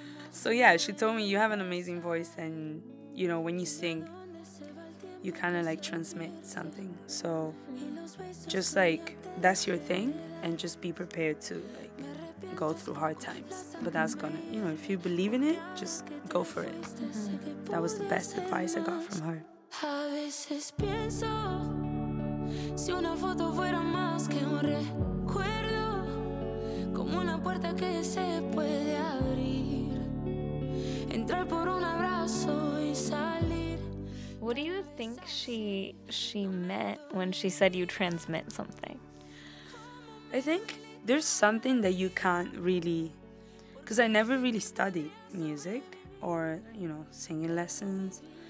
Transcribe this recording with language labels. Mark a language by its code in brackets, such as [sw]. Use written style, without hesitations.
[en] So, yeah, she told me, you have an amazing voice, and, you know, when you sing, you kind of, like, transmit something. So just, like, that's your thing, and just be prepared to, like, go through hard times. But that's gonna, you know, if you believe in it, just go for it. That was the best advice I got from her. [es] A veces pienso si una foto fuera más que un recuerdo, como una puerta que se puede abrir, entrar por un abrazo y salir. [en] What do you think she meant when she said you transmit something? I think there's something that you can't really, because I never really studied music or, you know, singing lessons.